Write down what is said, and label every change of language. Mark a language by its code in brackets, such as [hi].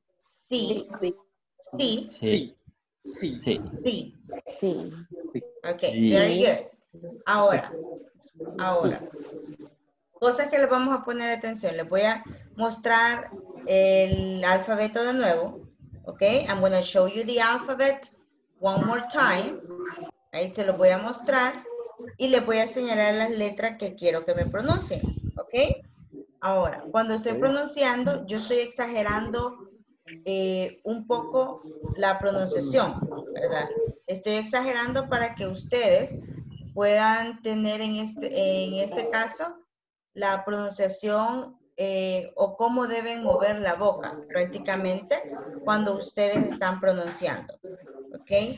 [es] C, Sí. Sí. Sí. Sí. Sí. Sí. [en] Ok, very good. [es] Ahora, ahora. Cosas que le vamos a poner atención. Les voy a mostrar el alfabeto de nuevo. [en] Ok, I'm going to show you the alphabet one more time. [es] Ahí se los voy a mostrar y les voy a señalar las letras que quiero que me pronuncien, ¿ok? Ahora, cuando estoy pronunciando, yo estoy exagerando un poco la pronunciación, ¿verdad? Estoy exagerando para que ustedes puedan tener en este caso la pronunciación o cómo deben mover la boca prácticamente cuando ustedes están pronunciando, ¿ok?